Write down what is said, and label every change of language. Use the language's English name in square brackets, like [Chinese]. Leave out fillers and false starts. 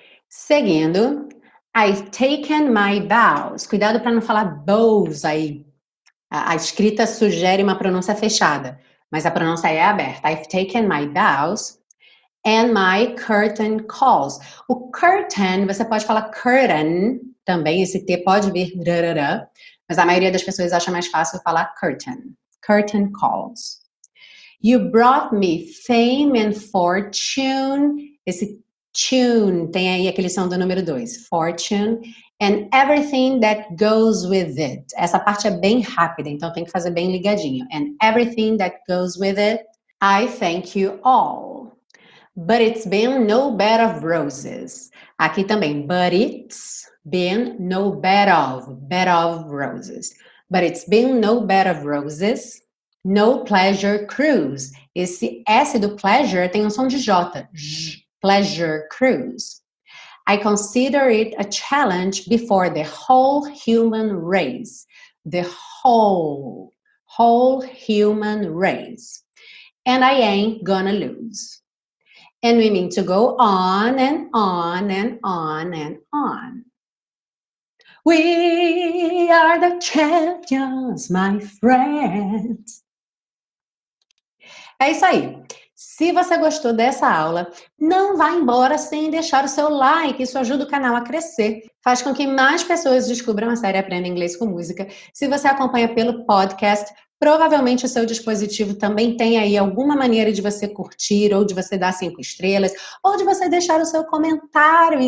[Portuguese] Seguindo, [English] I've taken my bows. [Portuguese] Cuidado para não falar bows aí. A escrita sugere uma pronúncia fechada, mas a pronúncia é aberta. [English] I've taken my bows and my curtain calls. [Portuguese] O curtain, você pode falar curtain também, esse T pode vir rarara, mas a maioria das pessoas acha mais fácil falar curtain. [English] Curtain calls. You brought me fame and fortune. [Portuguese] Esse tune tem aí aquele som do número 2. [English] Fortune. And everything that goes with it. [Portuguese] Essa parte é bem rápida, então tem que fazer bem ligadinho. [English] And everything that goes with it. I thank you all. But it's been no bed of roses. [Portuguese] Aqui também. [English] But it's been no bed of roses. But it's been no bed of roses. No pleasure cruise. [Portuguese] Esse S do pleasure tem um som de J. [English] Pleasure cruise. I consider it a challenge before the whole human race. The whole human race. And I ain't gonna lose. And we mean to go on and on and on and on. We are the champions, my friends. [Portuguese] É isso aí. Se você gostou dessa aula, não vá embora sem deixar o seu like. Isso ajuda o canal a crescer. Faz com que mais pessoas descubram a série Aprenda Inglês com Música. Se você acompanha pelo podcast, provavelmente o seu dispositivo também tem aí alguma maneira de você curtir, ou de você dar 5 estrelas, ou de você deixar o seu comentário.